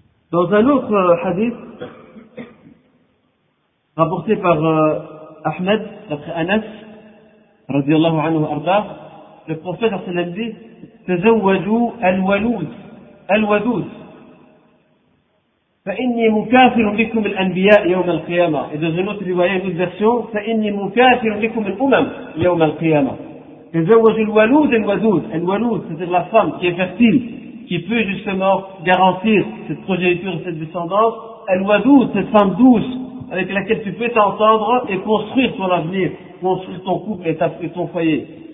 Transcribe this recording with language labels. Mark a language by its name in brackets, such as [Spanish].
[French] Dans un autre hadith, rapporté par Ahmed, d'après Anas, radiallahu anhu arda, le prophète sallam dit, [Arabic] تزوجوا الولود, الودود. فإني مكافر لكم الأنبياء يوم القيامة. [French] Et dans une autre rivière, une autre version, [Arabic] فإني مكافر لكم الأمم يوم القيامة. تزوجوا الولود الودود. [French] الولود, c'est-à-dire la femme qui est fertile, qui peut justement garantir cette progéniture et cette descendance. الودود, cette femme douce, avec laquelle tu peux t'entendre et construire ton avenir, construire ton couple et ton foyer.